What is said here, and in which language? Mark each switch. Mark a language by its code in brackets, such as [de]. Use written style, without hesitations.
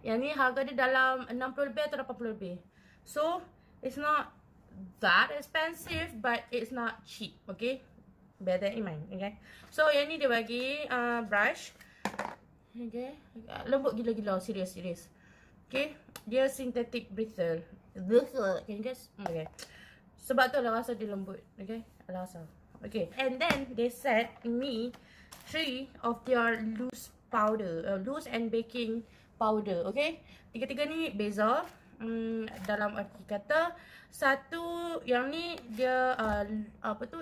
[ms] Yang ni harga dia dalam 60 lebih atau 80 lebih. [en] So, it's not that expensive but it's not cheap, okay? Bear that in mind, okay? So, [ms] yang ni dia bagi brush. [en] Okay. [ms] Lembut gila-gila, serius. [en] Okay, dia synthetic bristle. Can you guess? Okay. [ms] Sebab tu lah rasa dia lembut. Okay, rasa. Okay. [en] And then they sent me 3 of their loose powder, loose and baking powder. [ms] Okay, 3-3 ni beza. Dalam arti kata, satu yang ni dia apa tu?